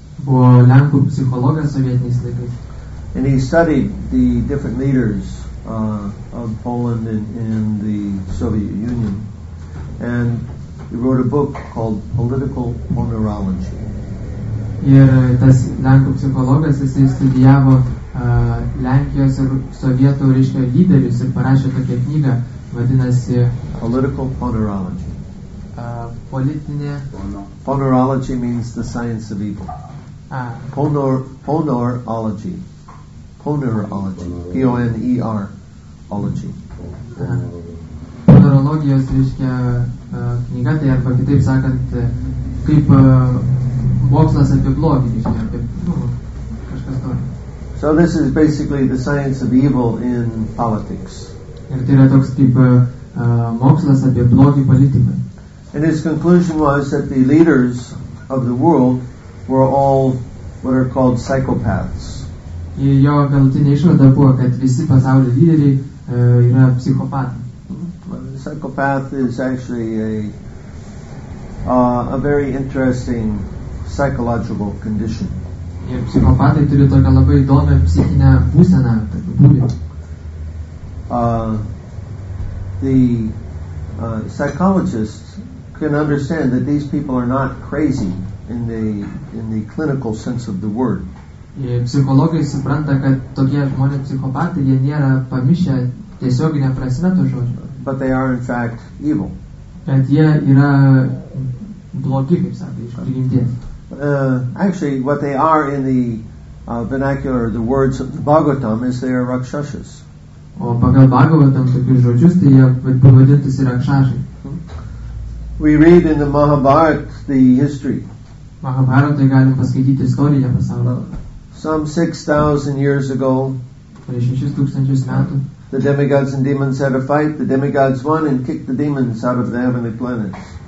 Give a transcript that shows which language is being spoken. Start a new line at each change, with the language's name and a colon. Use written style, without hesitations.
Lithuanian: Buvo Lenkų psichologas sovietiniais laikais.
English: And he studied the different leaders of Poland in the Soviet Union. And he wrote a book called Political Honorology.
Lithuanian: Ir tas Lenkų psichologas, jisai studijavo Lenkijos ir Sovietų reiškia lyderius ir parašė tokią knygą, vadinasi
English: Political Honorology.
Lithuanian: Politinė
English: Honorology means the science of evil. Honorology. Honorology. P-O-N-E-R. Ology.
Lithuanian: Honorologijos reiškia knyga, tai arba kitaip sakant, kaip mokslas apie blogį, reiškia, apie, kažkas to.
English: So this is basically the science of evil in politics.
Lithuanian: Ir tai yra toks kaip mokslas apie blogį politiką.
English: And his conclusion was that the leaders of the world were all what are called psychopaths.
Lithuanian: Ir jo galutinė išvada buvo, kad visi pasaulio lyderiai yra psichopatai.
English: Well, psychopath is actually a very interesting psychological condition.
Lithuanian: Ir psichopatai turi tokią labai įdomią psichinę būseną, tokią būdį.
English: The psychologists can understand that these people are not crazy in the clinical sense of the word.
Lithuanian: Psichologai supranta, kad tokie žmonės psichopatai, jie nėra pamišę tiesioginę prasme to žodžio.
English: But they are in fact evil.
Lithuanian: Bet jie yra blogi, kaip sakė, iš prigimties.
English: Actually, what they are in the vernacular, the words of the Bhagavatam, is they are rakshasas.
Lithuanian: O pagal Bhagavatam tokius žodžius, tai jie pavadintųsi rakshasai.
English: We read in the Mahabharat the history.
Lithuanian: Mahabharatai galim paskaityti istoriją pasaulio.
English: Some 6,000 years ago, the demigods and demons had a fight. The demigods won and kicked the demons out of the heavenly planets.